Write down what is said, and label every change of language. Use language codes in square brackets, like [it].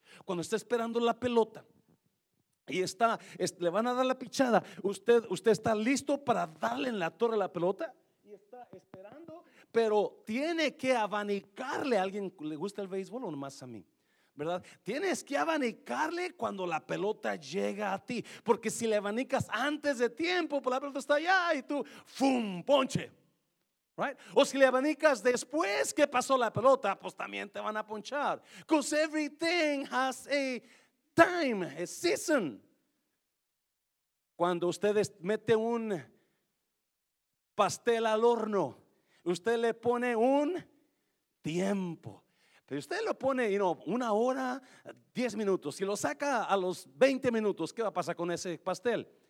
[es] Cuando está esperando la pelota y le van a dar la pichada, usted está listo para darle en la torre la pelota y está esperando, pero tiene que abanicarle. ¿A alguien le gusta el béisbol o nomás a mí? ¿Verdad? Tienes que abanicarle cuando la pelota llega a ti, porque si le abanicas antes de tiempo, pues la pelota está allá y tú ¡fum! ¡Ponche! Right? O si le abanicas después que pasó la pelota, pues también te van a ponchar. [en] Because everything has a time, a season. [es] Cuando usted mete un pastel al horno, usted le pone un tiempo. Pero usted lo pone, una hora, 10 minutos. Si lo saca a los 20 minutos, ¿qué va a pasar con ese pastel?